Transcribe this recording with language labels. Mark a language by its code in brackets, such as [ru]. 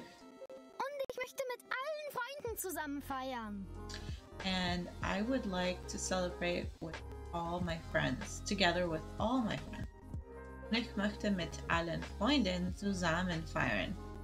[de] Und ich möchte mit allen Freunden zusammen feiern. [en] And I would like to celebrate with all my friends. Together with all my friends. [de] Und ich möchte mit allen Freunden zusammen feiern.